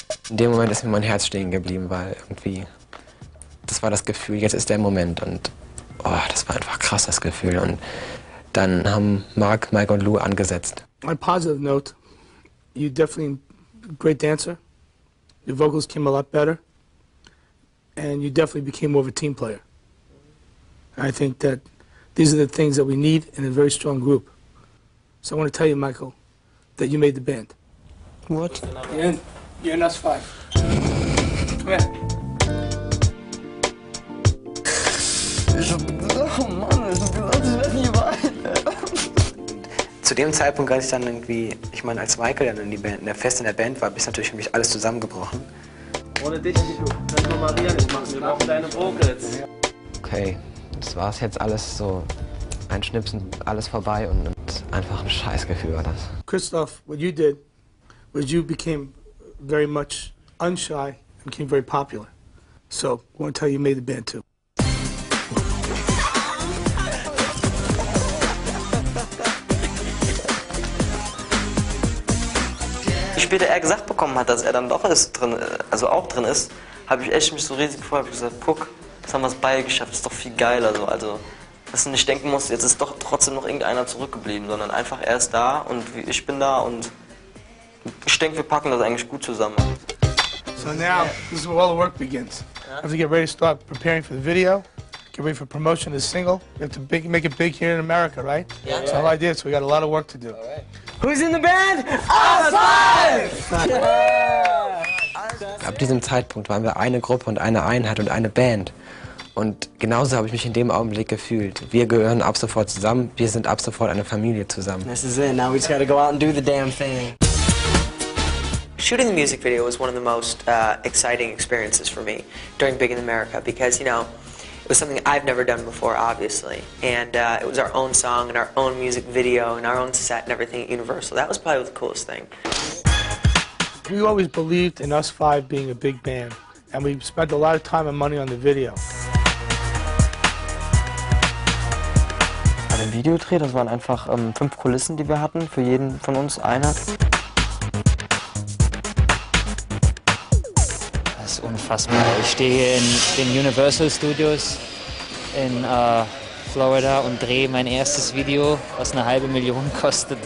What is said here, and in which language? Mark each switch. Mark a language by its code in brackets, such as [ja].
[de] In dem Moment ist mir mein Herz stehen geblieben, weil irgendwie... Das war das Gefühl, jetzt ist der Moment und oh, das war einfach krass, das Gefühl. Und dann haben Mark, Mike und Lou angesetzt. [en] On a positive note, you're definitely a great dancer. Your vocals came a lot better and you definitely became more of a team player. I think that these are the things that we need in a very strong group. So I want to tell you, Michael, that you made the band. What? You're in Us Five. Come here. [de] Oh Mann, das ist nicht weit. Zu dem Zeitpunkt, als ich dann irgendwie, ich meine, als Michael dann fest in der Band war, ist natürlich für mich alles zusammengebrochen. Ohne dich, du kannst nur Maria nicht machen, wir brauchen deine Vocals. okay, das war es jetzt alles so. Ein Schnipsen, alles vorbei und einfach ein Scheißgefühl war das. [en] Christoph, what you did was you became very much unshy and became very popular. So, I want to tell you, you made the band too. [de] Wie später er gesagt bekommen hat, dass er dann doch ist drin, also auch drin ist, habe ich echt mich so riesig gefreut. Ich habe gesagt, guck, jetzt haben wir es beide geschafft, das ist doch viel geiler. So. Also, dass du nicht denken musst, jetzt ist doch trotzdem noch irgendeiner zurückgeblieben, sondern einfach er ist da und ich bin da und ich denke, wir packen das eigentlich gut zusammen. [en] So now, this is where all the work begins. We have to get ready to start preparing for the video, get ready for promotion of the single. We have to make it big here in America, right? Yeah. That's the whole idea, so we got a lot of work to do. All right. Who's in the band? Us Five! [de] Ab diesem Zeitpunkt waren wir eine Gruppe und eine Einheit und eine Band. Und genauso habe ich mich in dem Augenblick gefühlt. Wir gehören ab sofort zusammen, wir sind ab sofort eine Familie zusammen. [en] This is it, now we just gotta go out and do the damn thing. Shooting the music video was one of the most exciting experiences for me during Big in America because, you know, it was something I've never done before, obviously. And it was our own song and our own music video and our own set and everything at Universal. That was probably the coolest thing. We always believed in Us Five being a big band, and we spent a lot of time and money on the video. [de] Bei dem Videodreh, das waren einfach fünf Kulissen, die wir hatten, für jeden von uns einer. Das ist unfassbar. Ich stehe in den Universal Studios in Florida und drehe mein erstes Video, was eine halbe Million kostet.